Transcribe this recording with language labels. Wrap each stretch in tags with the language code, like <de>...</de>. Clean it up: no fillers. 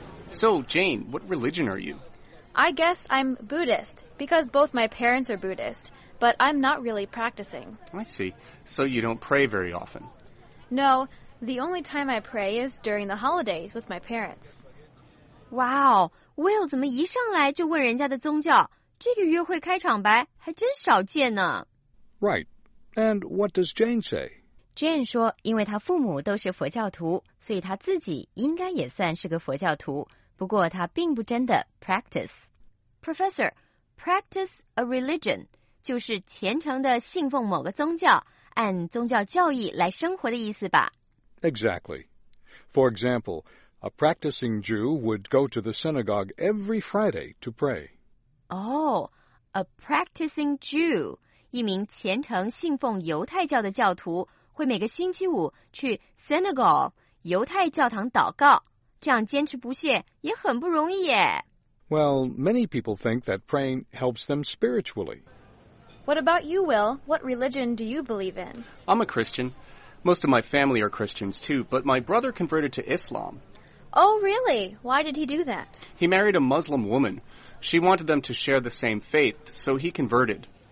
<en>So, Jane, what religion are you? I guess I'm Buddhist, because both my parents are Buddhist, but I'm not really practicing. I see. So you don't pray very often? No, the only time I pray is during the holidays with my parents.</en> <zh>Wow, Will 怎么一上来就问人家的宗教？这个约会开场白还真少见呢。</zh> <en>Right. And what does Jane say?</en> <zh>Jane 说因为她父母都是佛教徒，所以她自己应该也算是个佛教徒，不过她并不真的 practice. Professor,</zh> <en>practice a religion</en> <zh>就是虔诚地信奉某个宗教，按宗教教义来生活的意思吧。</zh> <en>Exactly. For example, a practicing Jew would go to the synagogue every Friday to pray. Oh, a practicing Jew...</en> <zh>一名虔诚信奉犹太教的教徒会每个星期五去 synagogue 犹太教堂祷告，这样坚持不懈也很不容易耶。</zh> <en>Well, many people think that praying helps them spiritually. What about you, Will? What religion do you believe in? I'm a Christian. Most of my family are Christians too, but my brother converted to Islam. Oh, really? Why did he do that? He married a Muslim woman. She wanted them to share the same faith, so he converted.</en>